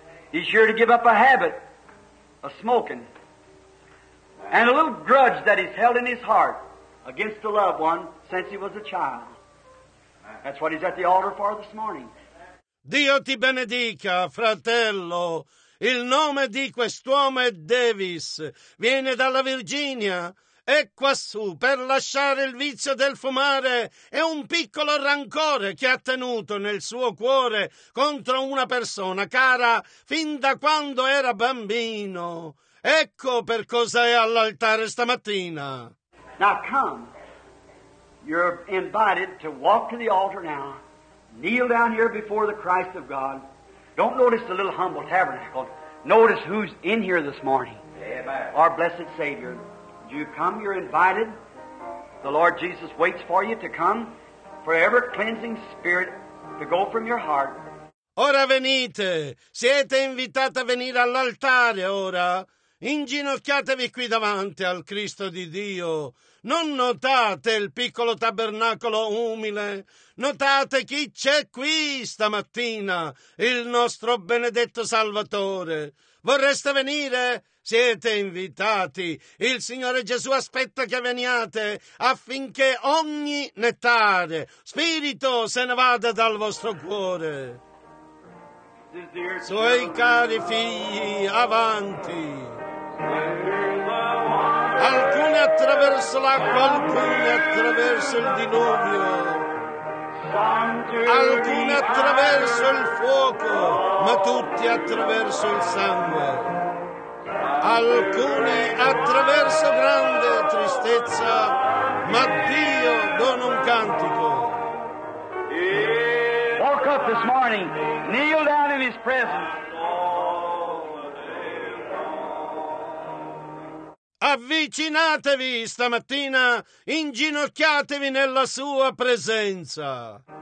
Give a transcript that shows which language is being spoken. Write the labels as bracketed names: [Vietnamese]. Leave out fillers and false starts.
[English] He's sure to give up a habit of smoking and a little grudge that he's held in his heart against a loved one since he was a child. That's what he's at the altar for this morning. [Italian] Dio ti benedica, fratello. Il nome di quest'uomo è Davis. Viene dalla Virginia. E quassù, per lasciare il vizio del fumare, è un piccolo rancore che ha tenuto nel suo cuore contro una persona cara fin da quando era bambino. Ecco per cosa è all'altare stamattina. [English] Now come. You're invited to walk to the altar now. Kneel down here before the Christ of God. Don't notice the little humble tabernacle. Notice who's in here this morning. Amen. Our blessed Savior. You come, you're invited. The Lord Jesus waits for you to come, forever cleansing spirit to go from your heart. [Italian] Ora venite, siete invitati a venire all'altare ora. Inginocchiatevi qui davanti al Cristo di Dio. Non notate il piccolo tabernacolo umile. Notate chi c'è qui stamattina, il nostro benedetto Salvatore. Vorreste venire? Siete invitati. Il Signore Gesù aspetta che veniate affinché ogni nettare, spirito, se ne vada dal vostro cuore. Suoi cari figli, avanti. Alcuni attraverso l'acqua, alcuni attraverso il diluvio. Alcuni attraverso il fuoco, ma tutti attraverso il sangue. Alcuni attraverso grande tristezza, ma Dio dona un cantico. [English] Walk up this morning, kneel down in His presence. [Italian] Avvicinatevi stamattina, inginocchiatevi nella Sua presenza.